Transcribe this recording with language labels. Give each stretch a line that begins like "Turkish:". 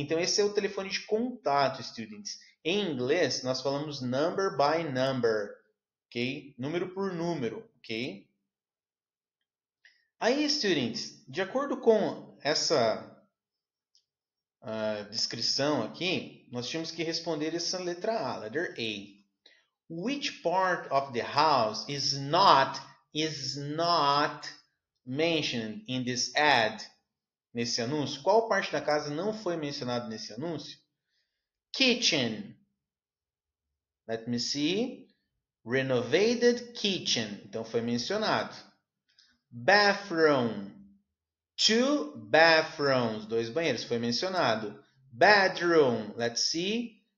Portuguese: Então, esse é o telefone de contato, students. Em inglês, nós falamos
English: number by number,
Portuguese: ok? Número por número, ok? Aí, students, de acordo com essa descrição aqui, nós tínhamos que responder essa letra A,
English: letter A. Which part of the house is not mentioned in this ad?
Portuguese: Nesse anúncio? Qual parte da casa não foi mencionada nesse anúncio?
English: Kitchen. Let me see. Renovated kitchen.
Portuguese: Então foi mencionado. Bathroom.
English: Two bathrooms.
Portuguese: Dois banheiros. Foi mencionado.
English: Bedroom. Let's see.